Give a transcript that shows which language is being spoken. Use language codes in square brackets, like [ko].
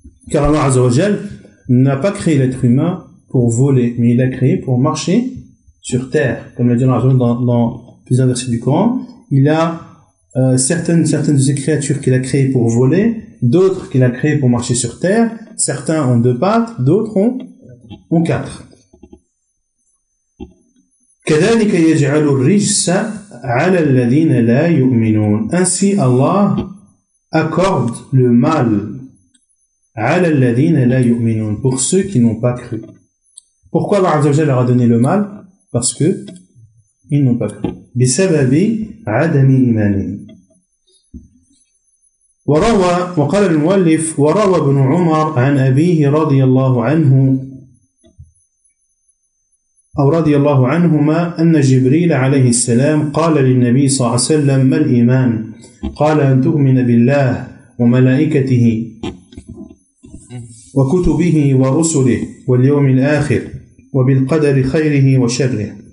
[fr] Car Allah Azza wa Jal n'a pas créé l'être humain pour voler, mais il l'a créé pour marcher sur terre, comme l'a dit Allah Azza wa Jal dans plusieurs versets du Coran. Il a certaines de ces créatures qu'il a créées pour voler, d'autres qu'il a créées pour marcher sur terre. Certains ont deux pattes, d'autres ont quatre. [ar] كذلك يجعل الرجس على الذين لا يؤمنون. [fr] Ainsi Allah accorde le mal [ar] على الذين لا يؤمنون, [fr] pour ceux qui n'ont pas cru. Pourquoi Allah Azza wa Jalla leur a donné le mal? Parce que ils n'ont pas cru. [ar] بسبب عدم إيمانهم. وروى وقال المؤلف وروى ابن عمر عن أبيه رضي الله عنه أو رضي الله عنهما أن جبريل عليه السلام قال للنبي صلى الله عليه وسلم ما الإيمان؟ قال أن تؤمن بالله وملائكته وكتبه ورسله واليوم الآخر وبالقدر خيره وشره.